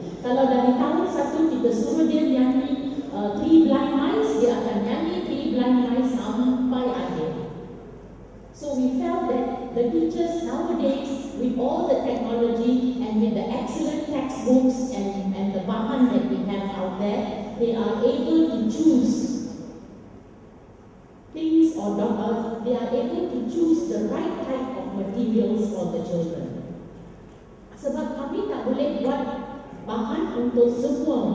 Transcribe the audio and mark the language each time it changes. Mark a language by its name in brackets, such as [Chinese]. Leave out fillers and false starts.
[Malay] Kalau dari tahun 1 kita suruh dia nyanyi Three Blind Mice, dia akan nyanyi Three Blind Mice sampai akhir. [English] So we felt that the teachers nowadays, with all the technology and with the excellent textbooks and the bahan that we have out there, they are able to choose things or not, they are able to choose the right type of materials for the children. [Malay] Sebab kami tak boleh buat bahan untuk semua.